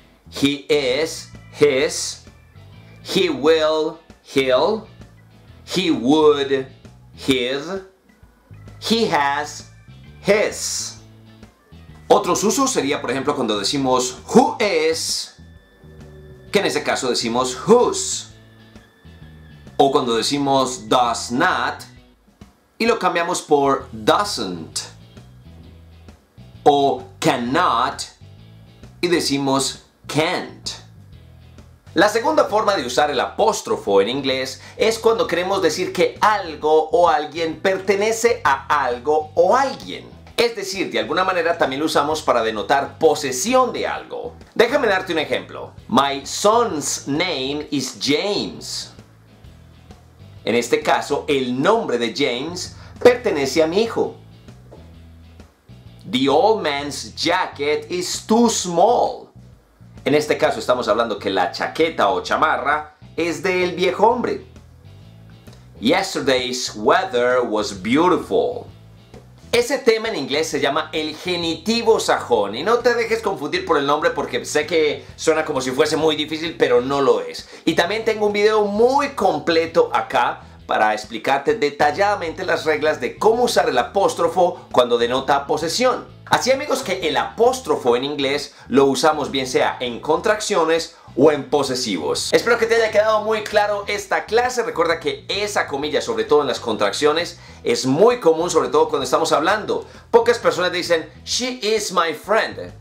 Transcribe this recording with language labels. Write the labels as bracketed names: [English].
[English] He is, his, he will, he'll, he would, his, he has, his. [Spanish] Otros usos sería, por ejemplo, cuando decimos who is, que en ese caso decimos whose, o cuando decimos does not, y lo cambiamos por doesn't, o cannot, y decimos can't. La segunda forma de usar el apóstrofo en inglés es cuando queremos decir que algo o alguien pertenece a algo o alguien. Es decir, de alguna manera también lo usamos para denotar posesión de algo. Déjame darte un ejemplo. [English] My son's name is James. [Spanish] En este caso, el nombre de James pertenece a mi hijo. [English] The old man's jacket is too small. [Spanish] En este caso estamos hablando que la chaqueta o chamarra es del viejo hombre. [English] Yesterday's weather was beautiful. [Spanish] Ese tema en inglés se llama el genitivo sajón y no te dejes confundir por el nombre porque sé que suena como si fuese muy difícil, pero no lo es. Y también tengo un video muy completo acá para explicarte detalladamente las reglas de cómo usar el apóstrofo cuando denota posesión. Así amigos, que el apóstrofo en inglés lo usamos bien sea en contracciones o en posesivos. Espero que te haya quedado muy claro esta clase. Recuerda que esa comilla, sobre todo en las contracciones, es muy común, sobre todo cuando estamos hablando. Pocas personas dicen, [English] she is my friend.